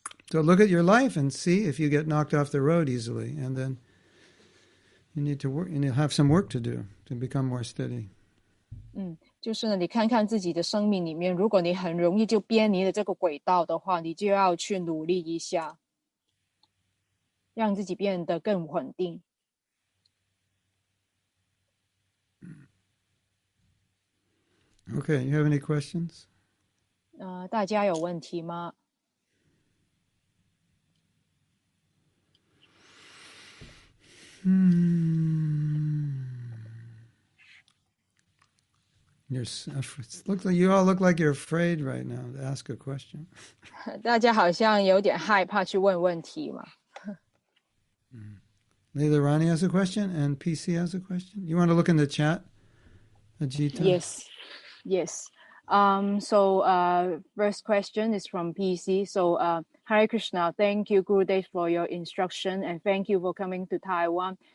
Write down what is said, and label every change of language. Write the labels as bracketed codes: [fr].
[en] So look at your life and see if you get knocked off the road easily, and then you need to work, and you have some work to do to become more steady. [zh] 就是呢，你看看自己的生命里面，如果你很容易就偏离了这个轨道的话，你就要去努力一下，让自己变得更稳定。 [en] Okay, you have any questions? [zh] 大家有问题吗？ [en] Looks like you all look like you're afraid right now to ask a question. [zh] 大家好像有点害怕去问问题嘛。 [en] Neither Ronnie has a question and PC has a question. You want to look in the chat, Ajita? Yes. First question is from PC. So, Hare Krishna, thank you, Gurudev, for your instruction, and thank you for coming to Taiwan.